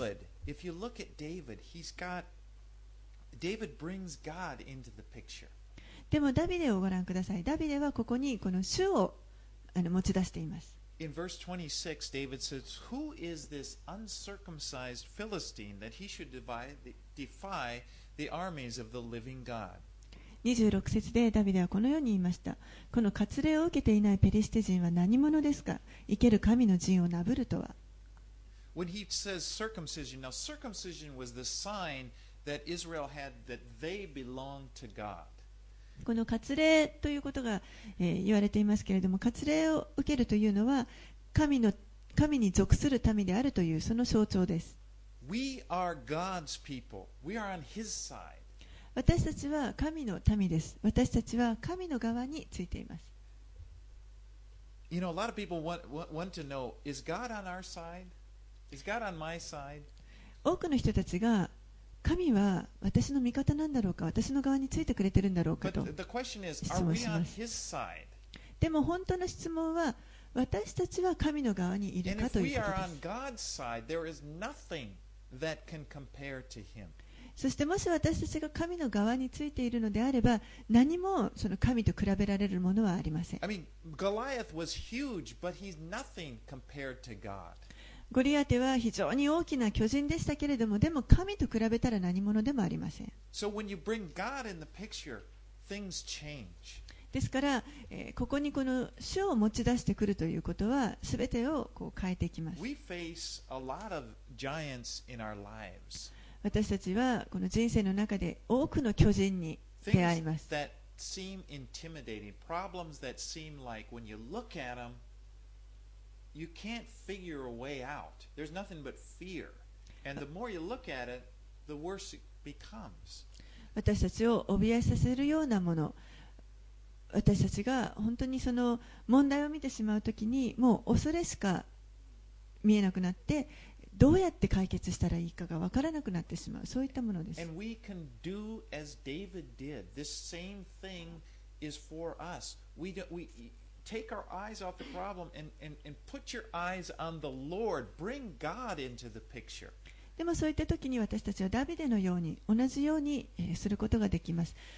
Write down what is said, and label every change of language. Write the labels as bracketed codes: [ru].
[en] But David, if you look at David, he's got David brings God into the picture. [ja] でもダビデをご覧ください。ダビデはここにこの主をあの持ち出しています。 [en] In verse 26, David says, Who is this uncircumcised Philistine that he should defy the armies of the living God? [ja] 26節でダビデはこのように言いました。この割礼を受けていないペリシテ人は何者ですか。生ける神の陣をなぶるとは。 [en] When he says circumcision, now circumcision was the sign that Israel had that they belonged to God. [ja] この割礼ということが、言われていますけれども、割礼を受けるというのは神に属する民であるというその象徴です。 [en] We are God's people. We are on His side. [ja] 私たちは神の民です。私たちは神の側についています。 [en] You know, a lot of people want to know, is God on our side? Is God on my side? [ja] 多くの人たちが神は私の味方なんだろうか、私の側についてくれてるんだろうかと質問します。 [en] But the question is, are we on his side? [ja] でも本当の質問は、私たちは神の側にいるかということです。 [en] And if we are on God's side, there is nothing that can compare to him. [ja] そしてもし私たちが神の側についているのであれば、何もその神と比べられるものはありません。 [en] I mean, Goliath was huge, but he's nothing compared to God. [ja] ゴリアテは非常に大きな巨人でしたけれども、でも神と比べたら何者でもありません。 [en] So when you bring God in the picture, things change. [ja] ですから、ここにこの主を持ち出してくるということは、すべてをこう変えていきます。 [en] We face a lot of giants in our lives. [ja] 私たちはこの人生の中で多くの巨人に出会います。 [en] That seem intimidating, problems that seem like when you look at them, you can't figure a way out. There's nothing but fear. And the more you look at it, the worse it becomes. [ja] 私たちを怯えさせるようなもの、私たちが本当にその問題を見てしまうときに、もう恐れしか見えなくなって、どうやって解決したらいいかが分からなくなってしまう、そういったものです。 [en] And we can do as David did. This same thing is for us. We take our eyes off the problem and put your eyes on the Lord. Bring God into the picture. [ja] でもそういった時に私たちはダビデのように同じようにすることができます。